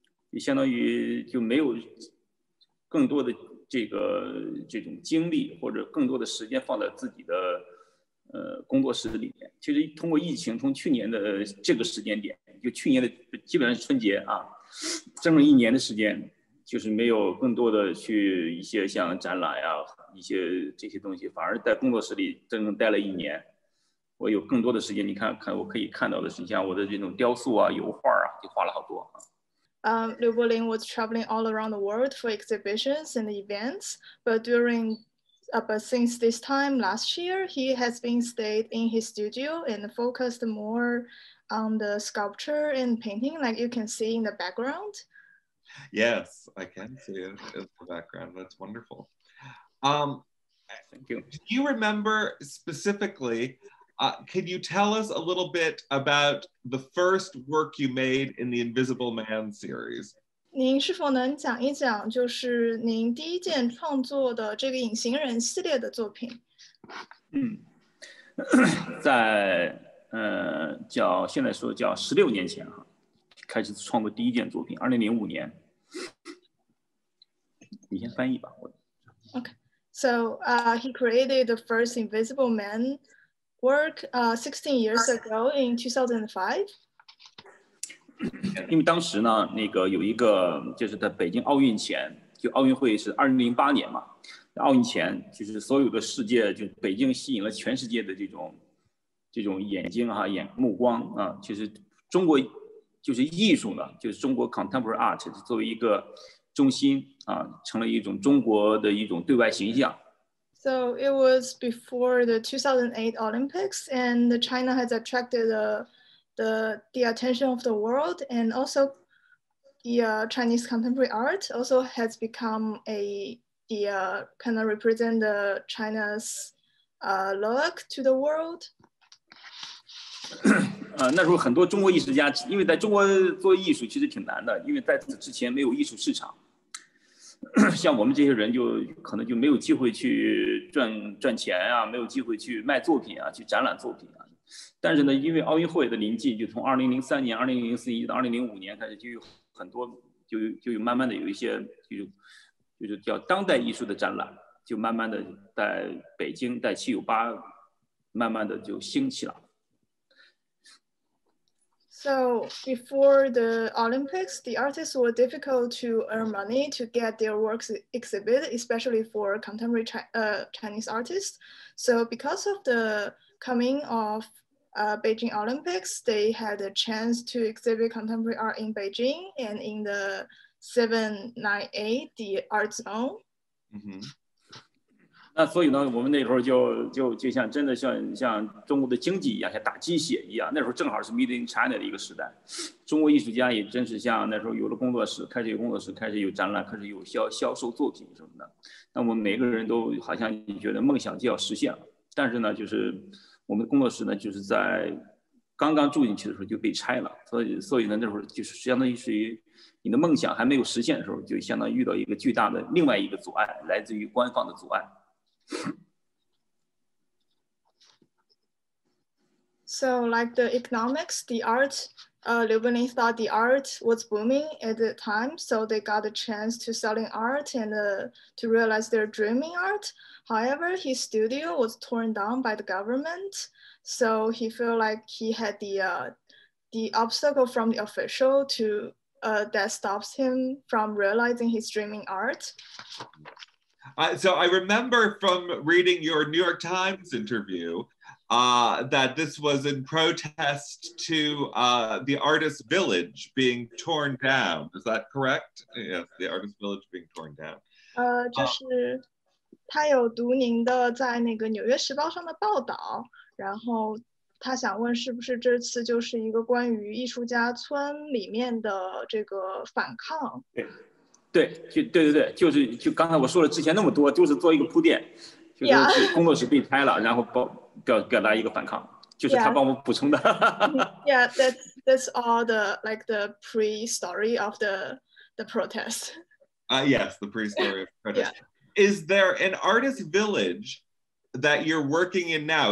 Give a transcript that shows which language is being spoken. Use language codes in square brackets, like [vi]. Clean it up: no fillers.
[zh] 就相当于就没有更多的这个这种精力或者更多的时间放在自己的工作室里面。其实通过疫情，从去年的这个时间点，就去年的基本上春节啊，整整一年的时间，就没有更多的去一些像展览啊，一些这些东西，反而在工作室里真正待了一年，我有更多的时间。你看看，我可以看到的是，像我的这种雕塑啊、油画啊，就画了好多。 [en] Liu Bolin was traveling all around the world for exhibitions and events, but since this time last year, he has been stayed in his studio and focused more on the sculpture and painting, like you can see in the background. Yes, I can see it in the background. That's wonderful. Thank you. Do you remember specifically, can you tell us a little bit about the first work you made in the Invisible Man series? [zh] 您是否能讲一讲，就是您第一件创作的这个隐形人系列的作品？在16年前开始创作第一件作品，2005年。你先翻译吧，我。 [en] Okay, so he created the first Invisible Man work 16 years ago in 2005. [zh] 因为当时呢，那个有一个就是在北京奥运前，就奥运会是2008年嘛，奥运前就是所有的世界就北京吸引了全世界的这种眼睛啊，眼目光啊，其实中国就是艺术呢，就是中国 contemporary art 作为一个中心啊，成了一种中国的一种对外形象。 [en] So it was before the 2008 Olympics, and China has attracted the attention of the world, and also the Chinese contemporary art also has become kind of represent the China's look to the world. [zh] 那时候很多中国艺术家，因为在中国做艺术其实挺难的，因为在此之前没有艺术市场。像我们这些人就可能就没有机会去赚钱啊，没有机会去卖作品啊，去展览作品啊。但是呢，因为奥运会的临近，就从2003年、2004年到2005年开始，就有很多就有慢慢的有一些就是叫当代艺术的展览，就慢慢的在北京在798慢慢的就兴起了。 [en] So before the Olympics, the artists were difficult to earn money to get their works exhibited, especially for contemporary Chinese artists. So because of the coming of Beijing Olympics, they had a chance to exhibit contemporary art in Beijing and in the 798, the art zone. Mm-hmm. [zh] 那所以呢，我们那时候就像真的像中国的经济一样，像打鸡血一样。那时候正好是 Made in China 的一个时代，中国艺术家也真是像那时候有了工作室，开始有工作室，开始有展览，开始有销售作品什么的。那我们每个人都好像觉得梦想就要实现了，但是呢，就是我们工作室呢，就是在刚刚住进去的时候就被拆了。所以呢，那时候就是相当于是你的梦想还没有实现的时候，就相当于遇到一个巨大的另外一个阻碍，来自于官方的阻碍。 [en] So like the economics, the art, Liu Bolin thought the art was booming at the time, so they got a chance to selling art and to realize their dreaming art. However, his studio was torn down by the government, so he felt like he had the obstacle from the official to that stops him from realizing his dreaming art. So I remember from reading your New York Times interview that this was in protest to the artist village being torn down. Is that correct? Yes, the artist village being torn down. [zh] 就是他有读您的在那个《纽约时报》上的报道，然后他想问是不是这次就是一个关于艺术家村里面的这个反抗。对，就刚才我说了之前那么多，就是做一个铺垫，就是工作室被拆了，然后表达一个反抗，就是他帮我补充的。 [en] Yeah, that's all the pre-story of the protest. Yes, the pre-story of protest. Yeah. Is there an artist village that you're working in now?